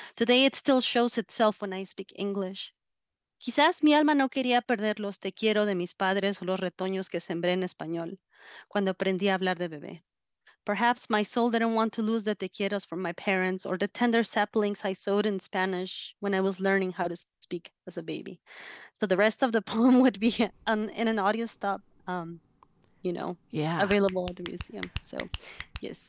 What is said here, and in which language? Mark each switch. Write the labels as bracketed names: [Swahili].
[English] Today it still shows itself when I speak English. [Spanish] Quizás mi alma no quería perder los te quiero de mis padres o los retoños que sembré en español cuando aprendí a hablar de bebé. [English] Perhaps my soul didn't want to lose the [Spanish] te quieros [English] from my parents or the tender saplings I sowed in Spanish when I was learning how to speak as a baby. So the rest of the poem would be in an audio stop, you know, available at the museum. So, yes.